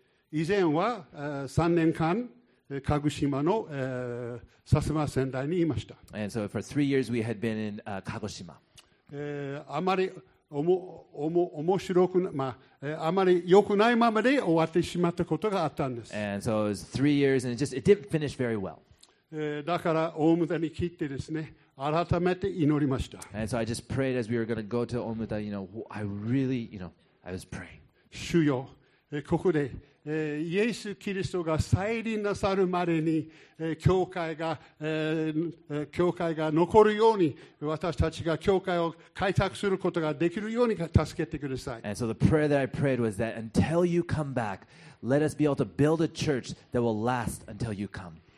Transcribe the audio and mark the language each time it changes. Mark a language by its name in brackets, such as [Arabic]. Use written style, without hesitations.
[Japanese] 以前は、3年間、鹿児島の薩摩川内にいました。 [English] And so for three years we had been in Kagoshima. [Japanese] あまりおも面白くまああまり良くないままで終わってしまったことがあったんです。 [English] And so it was three years and it didn't finish very well. [Japanese] だから大牟田に来てですね、改めて祈りました。 [English] And so I just prayed as we were going to go to 大牟田, you know, I really, you know, I was praying. [Japanese] 主よ、ここで。イエス・キリストが再臨なさるまでに教会が残るように私たちが教会を開拓することができるように助けてください。 [English] And so the prayer that I prayed was that until you come back, let us be able to build a church that will last until you come.